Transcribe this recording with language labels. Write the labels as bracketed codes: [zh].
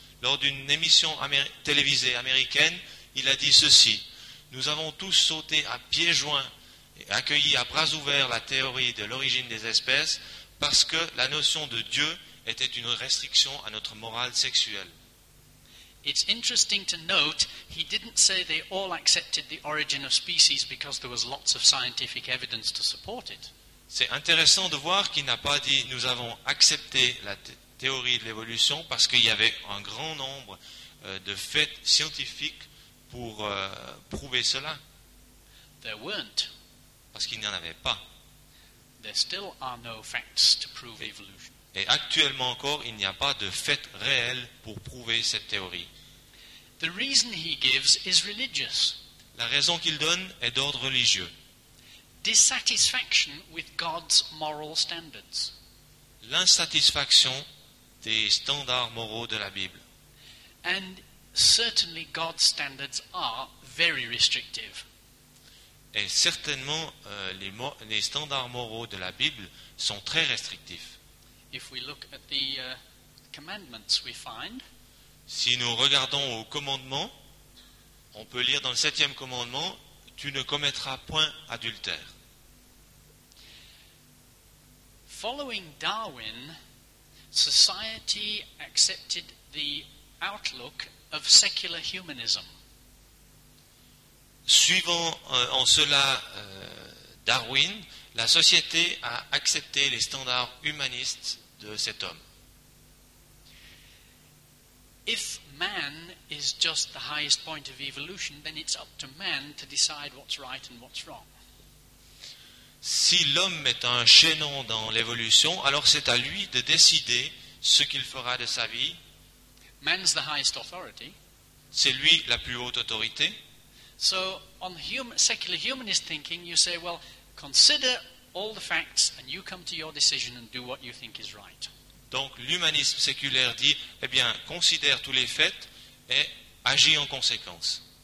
[fr] Lors d'une émission télévisée américaine, il a dit ceci. Nous avons tous sauté à pieds joints et accueilli à bras ouverts la théorie de l'origine des espèces parce que la notion de Dieu était une restriction à notre morale sexuelle. [en] It's interesting to note he didn't say they all accepted the origin of species because there was lots of scientific evidence to support it. [fr] C'est intéressant de voir qu'il n'a pas dit nous avons accepté la théorie de l'évolution parce qu'il y avait un grand nombre de faits scientifiques pour prouver cela. [en] There weren't. [fr] Parce qu'il n'y en avait pas. [en] There still are no facts to prove evolution. [fr] Et actuellement encore, il n'y a pas de fait réel pour prouver cette théorie. [en] The reason he gives is religious. [fr] La raison qu'il donne est d'ordre religieux. [en] Dissatisfaction with God's moral standards. [fr] L'insatisfaction des standards moraux de la Bible. [en] And certainly God's standards are very restrictive. [fr] Et certainement, les standards moraux de la Bible sont très restrictifs. [en] If we look at the commandments we find, [fr] si nous regardons aux commandements, on peut lire dans le septième commandement, tu ne commettras point adultère. [en] Following Darwin, society accepted the outlook of secular humanism. [fr] Suivant en cela Darwin, la société a accepté les standards humanistes de cet homme. [en] If man is just the highest point of evolution, then it's up to man to decide what's right and what's wrong. [fr] Si l'homme est un chaînon dans l'évolution, alors c'est à lui de décider ce qu'il fera de sa vie. [en] Man's the highest authority. [fr] C'est lui la plus haute autorité. [en] So, on secular humanist thinking, you say, well, consider all the facts and you come to your decision and do what you think is right. [fr] Donc, l'humanisme séculaire dit, eh bien, considère tous les faits et agis en conséquence.